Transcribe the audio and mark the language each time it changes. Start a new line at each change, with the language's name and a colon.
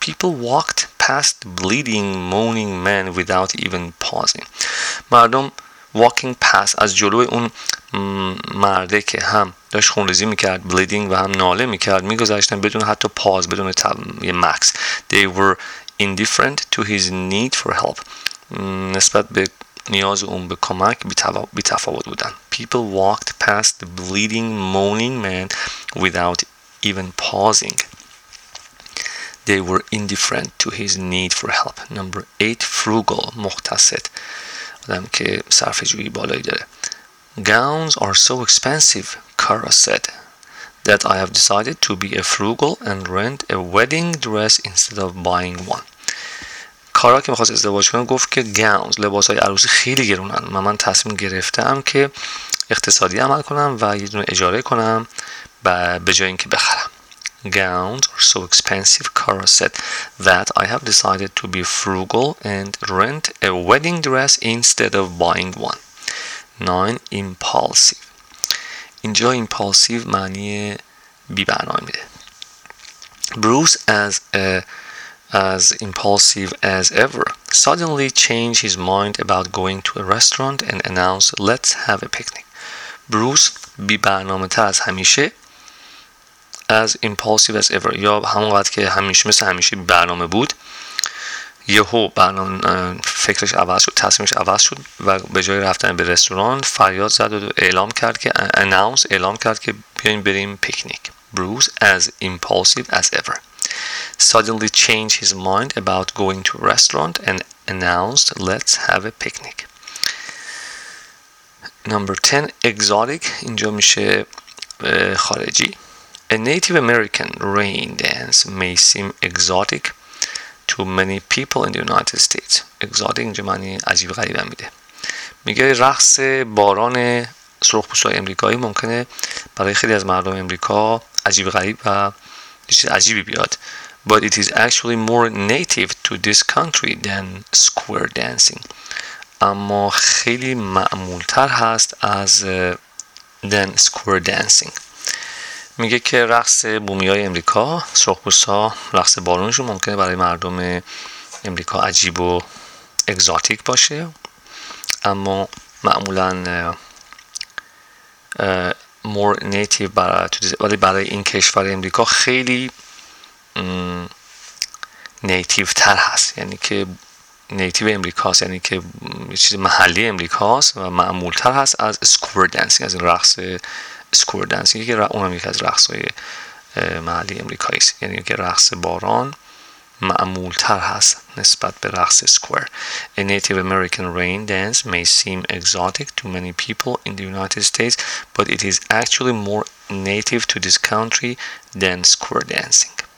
English: People walked past bleeding, moaning men without even pausing.
Persian: مردم
English: walking past,
Persian: از جلوی اون مرده که هم داشت خونریزی میکرد, bleeding, و هم ناله میکرد, میگذاشتن بدون حتی pause, بدون یه مکس.
English: They were indifferent to his need for help.
Persian: نسبت به نیاز اون به کمک بیتفاوت بودن.
English: People walked past the bleeding, moaning man without even pausing. They were indifferent to his need for help. Number 8, frugal, مختصر.
Persian: آدم که صرفه‌جویی بالایی داره.
English: Gowns are so expensive, Kara said, that I have decided to be a frugal and rent a wedding dress instead of buying one.
Persian: کارا که میخواست ازدواج کنه گفت که گاونز, لباس های عروسی خیلی گرونن, من تصمیم گرفتم که اقتصادی عمل کنم و یه دونه اجاره کنم به جای اینکه بخرم.
English: Gowns are so expensive, Kara said, that I have decided to be frugal and rent a wedding dress instead of buying one. 9. Impulsive.
Persian: اینجا impulsive معنی بی‌برنامه میده.
English: Bruce as impulsive as ever, suddenly changed his mind about going to a restaurant and announced, let's have a picnic.
Persian: Bruce, بی‌برنامه‌تر از همیشه,
English: as impulsive as ever,
Persian: یا همونقدر که همیشه مثل همیشه برنامه بود, یهو برنامه فکرش عوض شد, تصمیمش عوض شد و به جای رفتن به رستوران فریاد زد و اعلام کرد که بیاین بریم پیکنیک.
English: Bruce, as impulsive as ever, suddenly changed his mind about going to a restaurant and announced, let's have a picnic. Number 10, exotic,
Persian: اینجا میشه خارجی.
English: A Native American rain dance may seem exotic to many people in the United States.
Persian: Exotic اینجا معنی عجیب غریب هم میده. میگه رقص باران سرخپوستای امریکایی ممکنه برای خیلی از مردم امریکا عجیب غریب و چیز عجیبی بیاد.
English: But it is actually more native to this country than square dancing.
Persian: اما خیلی معمولتر هست از
English: than square dancing.
Persian: میگه که رقص بومیای امریکا, سرخپوستا, رقص بارونشون ممکنه برای مردم امریکا عجیب و اگزاتیک باشه, اما معمولا
English: more native
Persian: برای این کشور امریکا خیلی نیتیو تر هست, یعنی که نیتیو امریکاست, یعنی که یه چیز محلی امریکاست و معمول تر هست از سکور دنسینگ, از رقص سکور دنسینگ, که اون هم یکی از رقص های محلی امریکاییست, یعنی که رقص باران معمول تر هست نسبت به رقص سکور.
English: A Native American rain dance may seem exotic to many people in the United States, but it is actually more native to this country than square dancing.